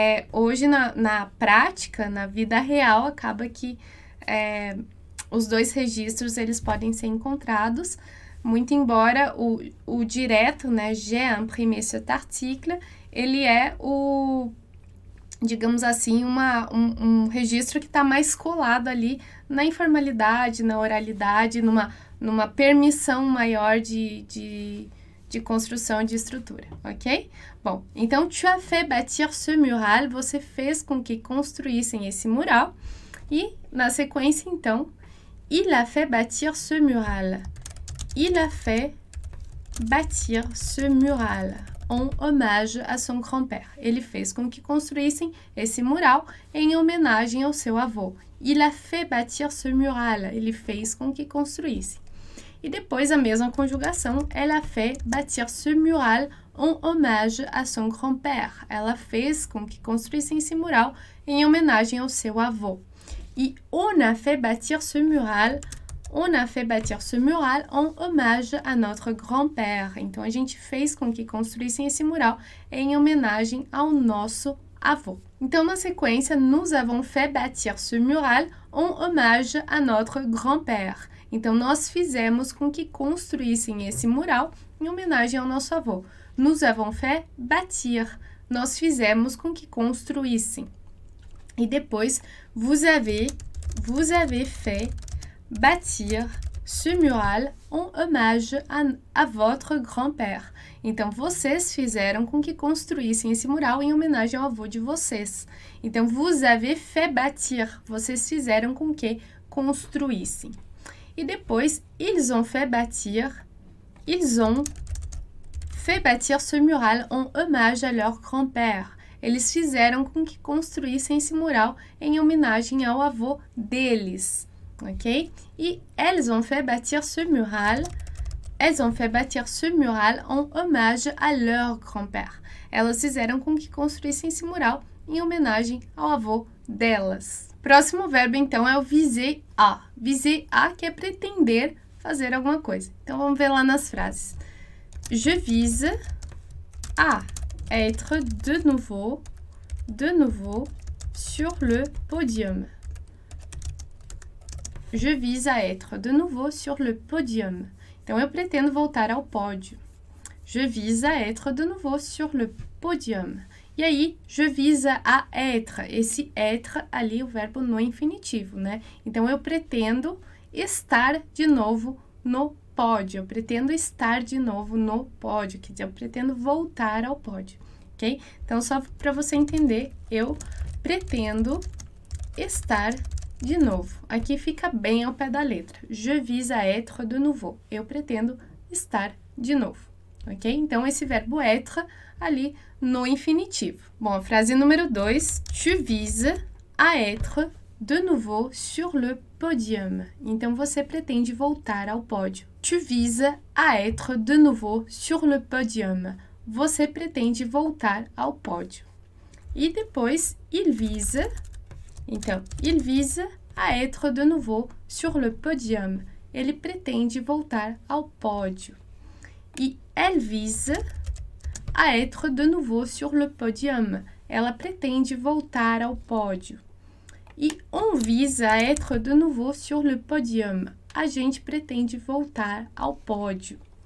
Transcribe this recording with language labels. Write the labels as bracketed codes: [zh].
[pt] Hoje, na prática, na vida real, acaba que os dois registros eles podem ser encontrados, muito embora o direto, né, [fr] j'ai imprimé cet article, [pt] ele é o, digamos assim, um registro que está mais colado ali na informalidade, na oralidade, numa permissão maior de construção de estrutura, ok? Bom, então, [fr] tu as fait bâtir ce mural, [pt] você fez com que construíssem esse mural. E, na sequência, então, [fr] il a fait bâtir ce mural. Il a fait bâtir ce mural en hommage à son grand-père. [pt] Ele fez com que construíssem esse mural em homenagem ao seu avô. [fr] Il a fait bâtir ce mural. [pt] Ele fez com que construíssem. E depois a mesma conjugação, [fr] ela fait bâtir ce mural en hommage à son grand-père. [pt] Ela fez com que construíssem esse mural em homenagem ao seu avô. [fr] E on a fait bâtir ce mural en hommage à notre grand-père. [pt] Então a gente fez com que construíssem esse mural em homenagem ao nosso avô. Então, na sequência, [fr] nous avons fait bâtir ce mural en hommage à notre grand-père. [pt] Então, nós fizemos com que construíssem esse mural em homenagem ao nosso avô. [fr] Nous avons fait bâtir. [pt] Nós fizemos com que construíssem. E depois, [fr] vous avez fait bâtir ce mural en hommage à votre grand-père. [pt] Então, vocês fizeram com que construíssem esse mural em homenagem ao avô de vocês. Então, [fr] vous avez fait bâtir. [pt] Vocês fizeram com que construíssem. [fr] E depois, ils ont fait bâtir ce mural en hommage à leur grand-père. [pt] Eles fizeram com que construíssem esse mural em homenagem ao avô deles, ok? [fr] E elles ont fait bâtir ce mural en hommage à leur grand-père. [pt] Elas fizeram com que construíssem esse mural em homenagem ao avô delas. Próximo verbo, então, é o viser a. Viser a, que é pretender fazer alguma coisa. Então, vamos ver lá nas frases. [fr] Je vise à être de nouveau sur le podium. Je vise à être de nouveau sur le podium. [pt] Então, eu pretendo voltar ao pódio. [fr] Je vise à être de nouveau sur le podium. [pt] E aí, [fr] je vise à être. [pt] Esse être ali, o verbo no infinitivo, né? Então, eu pretendo estar de novo no pódio. Eu pretendo estar de novo no pódio. Quer dizer, eu pretendo voltar ao pódio, ok? Então, só para você entender, eu pretendo estar de novo. Aqui fica bem ao pé da letra. [fr] Je vise à être de nouveau. [pt] Eu pretendo estar de novo, ok? Então, esse verbo être ali no infinitivo. Bom, a frase número 2, [fr] tu vises à être de nouveau sur le podium. [pt] Então, você pretende voltar ao pódio. [fr] Tu vises à être de nouveau sur le podium. [pt] Você pretende voltar ao pódio. E depois, [fr] il vise à être de nouveau sur le podium. [pt] Ele pretende voltar ao pódio. [fr] E elle vise à être de nouveau sur le podium. [pt] Ela pretende voltar ao pódio. [fr] E on vise à être de nouveau sur le podium. [pt] A gente pretende voltar ao pódio.